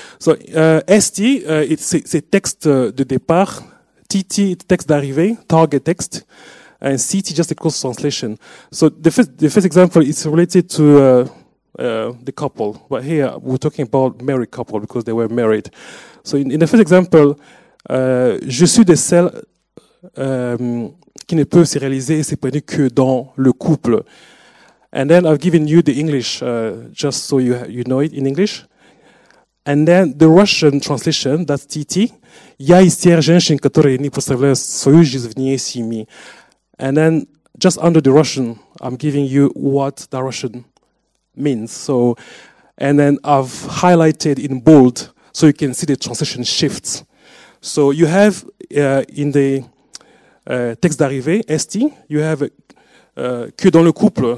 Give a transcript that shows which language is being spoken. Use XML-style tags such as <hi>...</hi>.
<en>So ST, it's a text de départ. TT, it's text d'arrivée, target text. And CT, just a close translation. So the first example is related to the couple. But here, we're talking about married couple because they were married. So in the first example,</en> <fr>je suis de celle qui ne peut se réaliser et s'épanouir que dans le couple.</fr> <en>And then I've given you the English, just so you know it in English. And then the Russian translation, that's TT.</en> <ru>Я из тех женщин, которые не представляют свою жизнь вне семьи.</ru> <en>And then just under the Russian, I'm giving you what the Russian means. So, and then I've highlighted in bold so you can see the translation shifts. So you have in the texte d'arrivée, ST, you have</en> <fr>que dans le couple.</fr>